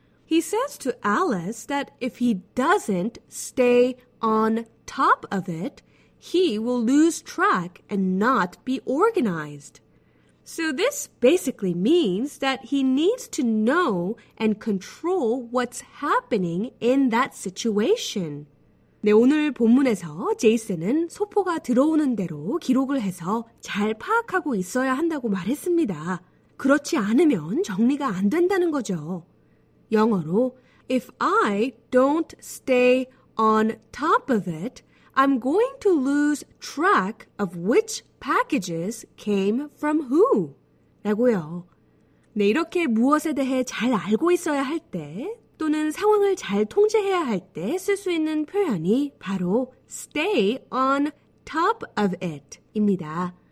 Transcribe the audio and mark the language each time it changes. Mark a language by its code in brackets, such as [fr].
[en] He says to Alice that if he doesn't stay on top of it, he will lose track and not be organized. So this basically means that he needs to know and control what's happening in that situation. [ko] 네, 오늘 본문에서 제이슨은 소포가 들어오는 대로 기록을 해서 잘 파악하고 있어야 한다고 말했습니다. 그렇지 않으면 정리가 안 된다는 거죠. 영어로 [en] If I don't stay on top of it, I'm going to lose track of which packages came from who? [ko] 라고요. 네, 이렇게 무엇에 대해 잘 알고 있어야 할 때 또는 상황을 잘 통제해야 할 때 쓸 수 있는 표현이 바로 [en] stay on top of it [ko] 입니다.